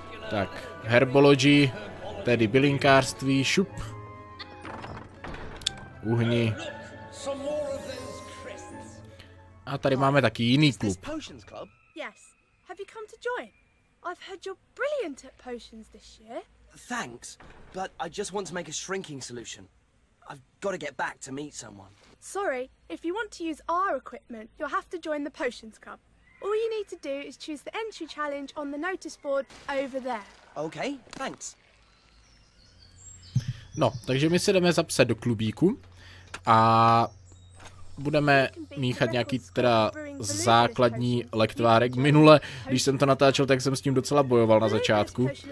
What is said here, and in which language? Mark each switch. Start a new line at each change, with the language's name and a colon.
Czech: Tak, herbology, tedy bylinkářství, šup. Uhni. A tady máme taky jiný klub.
English: Yes. Have you come to join? I've heard you're brilliant at potions this year. Thanks, but I just want to make a shrinking solution. I've got to get back to meet someone. Sorry, if you want to use our equipment, you'll have to join the potions club. All you need to do is choose the entry challenge on the notice board over there. Okay, thanks.
Czech: No, takže my se jdeme zapsat do klubíku a budeme míchat nějaký teda základní lektvárek. Minule, když jsem to natáčel, tak jsem s tím docela bojoval na začátku.